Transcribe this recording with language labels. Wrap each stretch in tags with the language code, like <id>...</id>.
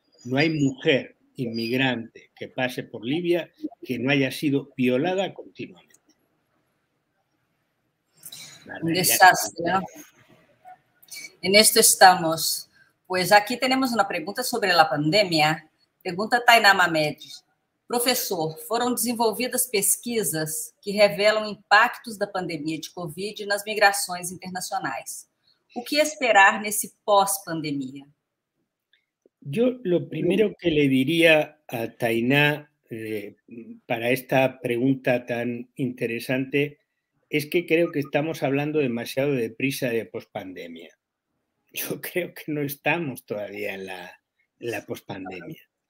<es>No hay mujer inmigrante que pase por Libia que no haya sido violada continuamente. Un desastre, ¿no? En esto estamos. Pues aquí tenemos una pregunta sobre la pandemia. Pregunta Tainá Mamed.</es> <pt>Professor, foram desenvolvidas pesquisas que revelam impactos da pandemia de Covid nas migrações internacionais. O que esperar nesse pós-pandemia?</pt> <es>Yo lo primero que le diría a Tainá para esta pregunta tan interesante es que creo que estamos hablando demasiado deprisa de pospandemia. Yo creo que no estamos todavía en la pospandemia.</es>